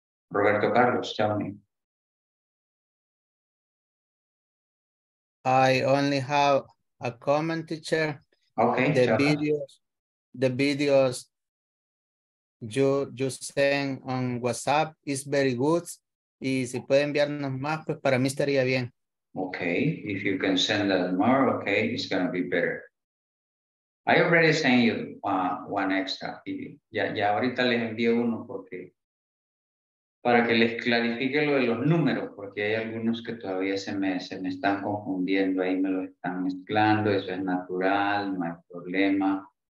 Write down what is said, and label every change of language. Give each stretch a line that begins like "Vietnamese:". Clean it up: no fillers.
English: Roberto Carlos, tell me. I only have a comment, teacher. Okay. The videos you send on WhatsApp is very good.
Spanish: Y si puede enviarnos más, pues para mí estaría bien.
English: Okay. If you can send that more, okay, it's gonna be better. I already sent you one extra.
Spanish: Ya ahorita les envío uno porque para que les clarifique lo de los números, porque hay algunos que todavía se me están confundiendo, ahí me lo están mezclando, eso es natural, no hay problema.